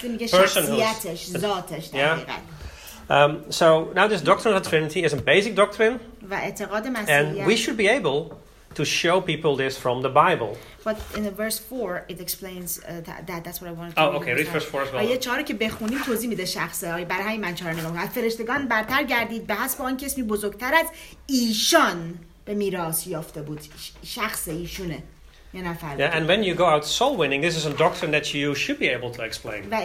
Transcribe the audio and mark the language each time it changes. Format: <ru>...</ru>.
<en>Personhood. Yeah. So now this doctrine of the Trinity is a basic doctrine. And we should be able to show people this from the Bible. But in the verse 4, it explains that's what I wanted to read. Oh, okay, read verse 4 as well.</en> <fa>آیه 4 که بخونیم توضیح میده شخص آیه برای همین من 4 نگاه کنم. فرشتگان برتر گردید به حسب آن کسی بزرگتر از ایشان به میراث یافته بود. شخص ایشونه.</fa> <en>Yeah, and when you go out soul winning, this is a doctrine that you should be able to explain.</en>